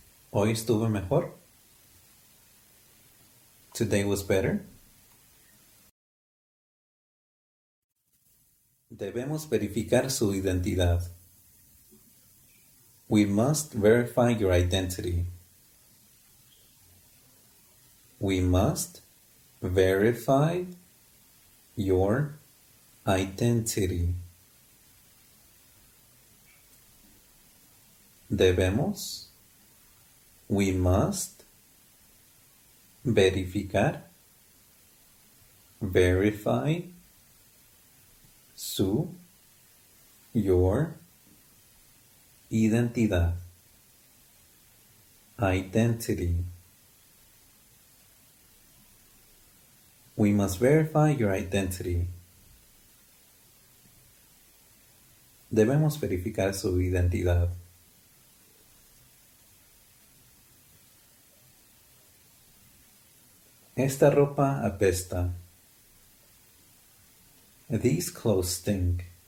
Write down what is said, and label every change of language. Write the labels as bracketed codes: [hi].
[es] Hoy estuvo mejor. [en] Today was better. [es] Debemos verificar su identidad. [en] We must verify your identity. We must verify your identity. [es] Debemos. [en] We must [es] verificar. [en] Verify. [es] Su, [en] your, [es] identidad, [en] identity. We must verify your identity. [es] Debemos verificar su identidad. Esta ropa apesta. [en] These clothes stink.